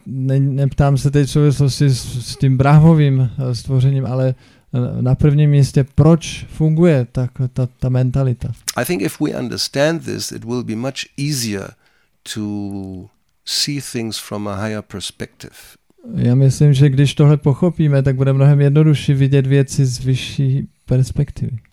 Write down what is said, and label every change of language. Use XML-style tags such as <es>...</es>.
<cs>Neptám se teď v souvislosti s tím Brahmovým stvořením, ale na prvním místě, proč funguje tak ta mentalita.</cs> <en>I think if we understand this, it will be much easier to see things from a higher perspective.</en> <cs>Já myslím, že když tohle pochopíme, tak bude mnohem jednodušší vidět věci z vyšší perspektivy.</cs>